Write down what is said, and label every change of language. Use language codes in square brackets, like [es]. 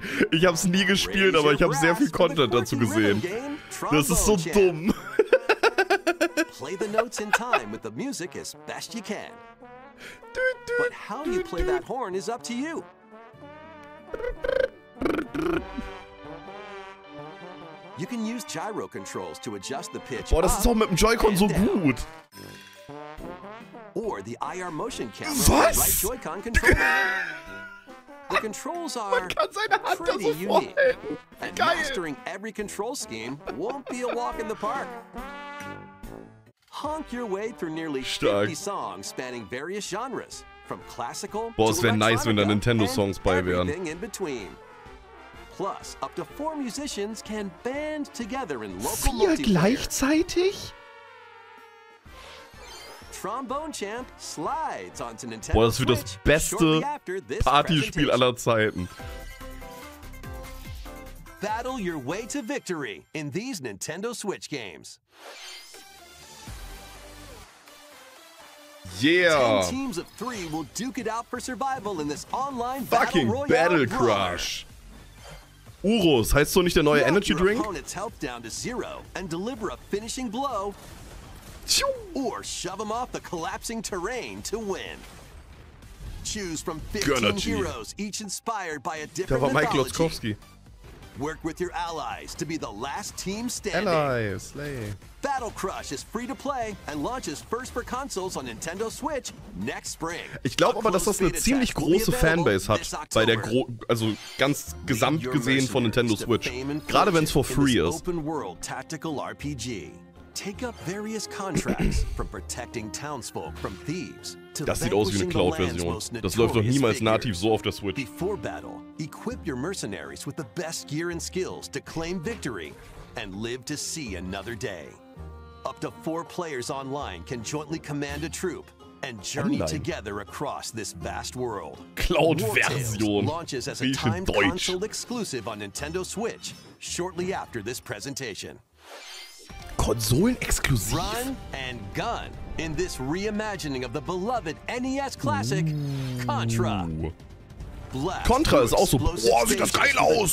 [de] Ich hab's nie gespielt, aber ich hab sehr viel Content dazu gesehen. Das ist so dumm. [en] Play the notes in time with the music as best you can. But how you play that horn is up to you. You can use gyro controls to adjust the pitch. [de] Boah, das ist auch mit dem Joy-Con so gut. [en] Or the IR motion camera with the right Joy-Con controller. The controls are pretty unique. And mastering every control scheme won't be a walk in the park. Honk your way through nearly 50 songs spanning various genres, from classical to electronic. [de] Boah, es wäre nice, wenn da Nintendo Songs bei wären. [en] Everything in between. Plus, up to 4 musicians can band together in local multiplayer. [de] 4 gleichzeitig? [en] Trombone Champ slides onto Nintendo. [de] Boah, das wird das beste Partyspiel aller Zeiten. [en] Battle your way to victory in these Nintendo Switch games. Yeah. 10 teams of 3 will duke it out for survival in this online fucking battle crush. [de] Uros, heißt so nicht der neue energy drink? [en] Down to zero and deliver a finishing blow. Or shove him off the collapsing terrain to win. Choose from 15 heroes, each inspired by a different mythology. [de] Da war Mike Lotzkowski. [en] Work with your allies to be the last team standing. Allies, slay. Battle Crush is free to play and launches first for consoles on Nintendo Switch next spring. [de] Ich glaube aber, dass das eine ziemlich große Fanbase hat, bei der also ganz gesamt gesehen von Nintendo Switch. Gerade wenn es [en] for free [de] ist. [en] Open World Tactical RPG. Take up various contracts from protecting townsfolk from thieves. [de] Das sieht aus wie eine Cloud-Version. Das läuft doch niemals nativ so auf der Switch. [en] Before battle, equip your mercenaries with the best gear and skills to claim victory and live to see another day. Up to four players online can jointly command a troop and journey online together across this vast world. [de] Cloud-Version. [en] Launches as a timed console exclusive on Nintendo Switch shortly after this presentation. [de] Konsolen-exklusiv. [en] Run and gun in this reimagining of the beloved NES classic, Contra. [de] Contra ist auch so, boah, sieht das geil aus.